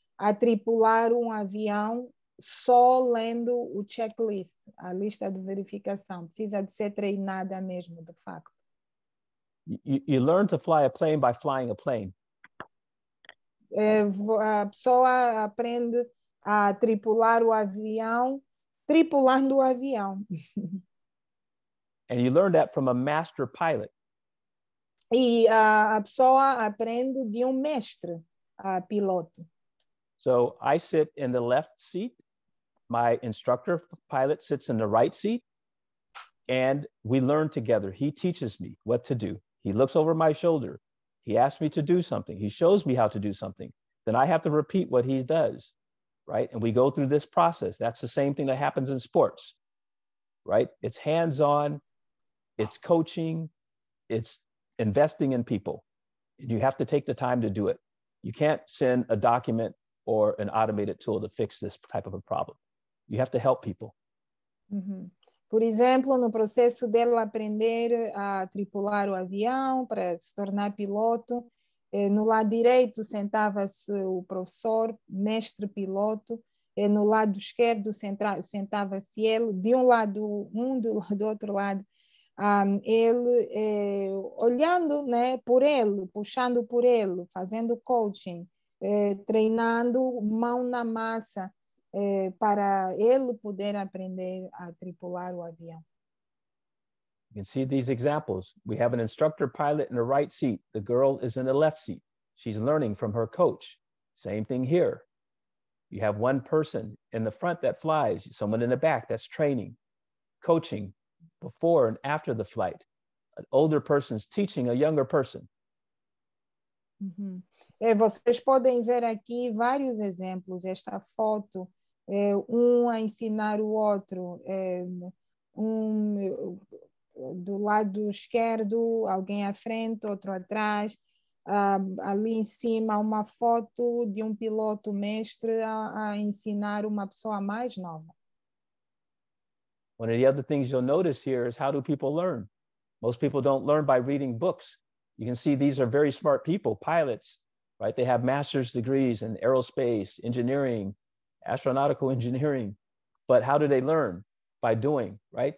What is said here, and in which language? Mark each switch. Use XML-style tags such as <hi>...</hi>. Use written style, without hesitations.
<pt>a tripular um avião só lendo o checklist, a lista de verificação. Precisa de ser treinada mesmo, de facto.</pt> <en>You learn to fly a plane by flying a plane.</en> <pt>A pessoa aprende a tripular o avião tripulando o avião.</pt> <en>And you learn that from a master pilot.</en> <pt>E a pessoa aprende de um mestre, a piloto.</pt> <en>So I sit in the left seat, my instructor pilot sits in the right seat, and we learn together. He teaches me what to do. He looks over my shoulder. He asks me to do something. He shows me how to do something. Then I have to repeat what he does, right? And we go through this process. That's the same thing that happens in sports, right? It's hands-on. It's coaching, it's investing in people. You have to take the time to do it. You can't send a document or an automated tool to fix this type of a problem. You have to help people. Uh-huh.</en> <pt>Por exemplo, no processo dela aprender a tripular o avião para se tornar piloto, no lado direito sentava-se o professor, mestre piloto, e no lado esquerdo sentava-se ele, de um lado um, do outro lado. Ele olhando, né, por ele, puxando por ele, fazendo coaching, treinando mão na massa para ele poder aprender a tripular o avião.</pt> <en>You can see these examples. We have an instructor pilot in the right seat. The girl is in the left seat. She's learning from her coach. Same thing here. You have one person in the front that flies, someone in the back that's training, coaching. Before and after the flight, an older person is teaching a younger person.</en> <pt>Uhum. Vocês podem ver aqui vários exemplos. Esta foto, um a ensinar o outro, do lado esquerdo, alguém à frente, outro atrás. Ali em cima, uma foto de piloto mestre a ensinar uma pessoa mais nova.</pt> <en>One of the other things you'll notice here is how do people learn? Most people don't learn by reading books. You can see these are very smart people, pilots, right? They have master's degrees in aerospace, engineering, astronautical engineering. But how do they learn? By doing, right?</en>